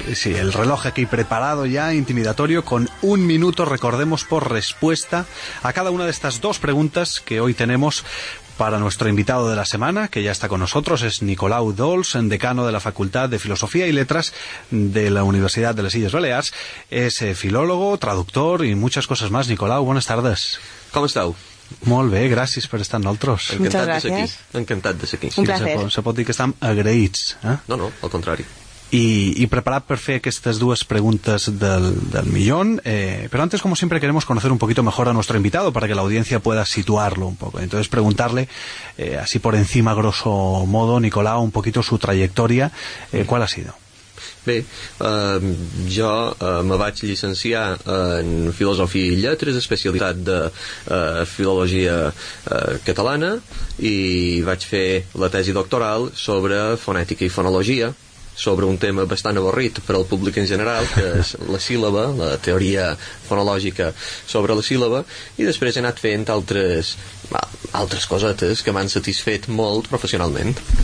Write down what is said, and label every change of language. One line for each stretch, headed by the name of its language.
Spanish: Sí, el reloj aquí preparado ya, intimidatorio, con un minuto, recordemos, por respuesta a cada una de estas dos preguntas que hoy tenemos para nuestro invitado de la semana, que ya está con nosotros. Es Nicolau Dols, decano de la Facultad de Filosofía y Letras de la Universidad de las Islas Baleares. Es filólogo, traductor y muchas cosas más. Nicolau, buenas tardes. ¿Cómo estás?
Catalan: Molt bé, gràcies per estar amb nosaltres. Encantat de ser aquí. Encantat de ser aquí. Un placer. Se pot dir que estem agraïts. Eh? No, no, al contrari. I preparat per fer aquestes dues preguntes del
Spanish: millón, pero antes, como siempre, queremos conocer un poquito mejor a nuestro invitado para que la audiencia pueda situarlo un poco. Entonces, preguntarle, así por encima, grosso modo, Nicolau, un poquito su trayectoria, ¿cuál ha sido?
Catalan: Bé, jo me vaig llicenciar en Filosofia i Lletres, especialitat de Filologia Catalana, i vaig fer la tesi doctoral sobre fonètica i fonologia, sobre un tema bastant avorrit per al públic en general, que és la síl·laba, la teoria fonològica sobre la síl·laba, i després he anat fent altres cosetes que m'han satisfet molt professionalment.